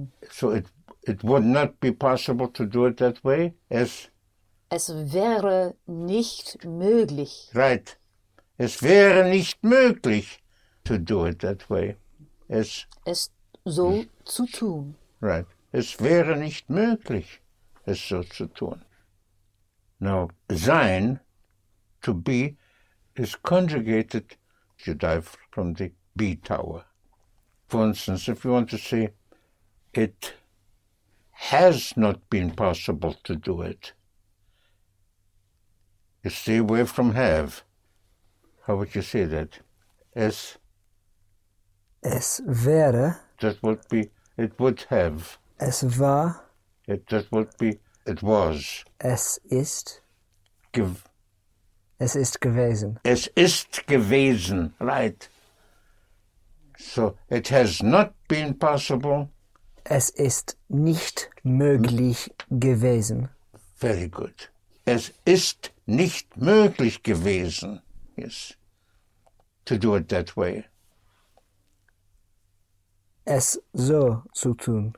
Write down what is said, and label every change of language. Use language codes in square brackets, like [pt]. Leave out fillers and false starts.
[en] So it would not be possible to do it that way. [de] Es wäre nicht möglich. [en] Right. [de] Es wäre nicht möglich [en] to do it that way. [de] Es so zu tun. [en] Right. [de] Es wäre nicht möglich, es so zu tun. [en] Now, sein, to be, is conjugated, you derive from the be tower. For instance, if you want to say, it has not been possible to do it. You stay away from have. How would you say that? [de] Es wäre. [en] That would be, it would have. [de] Es war. [en] That would be, it was. [de] Es ist. [en] Give. [de] Es ist gewesen. Es ist gewesen, right. [en] So, it has not been possible. [de] Es ist nicht möglich gewesen. [en] Very good. [de] Es ist nicht möglich gewesen, [en] yes, to do it that way. [de] Es so zu tun.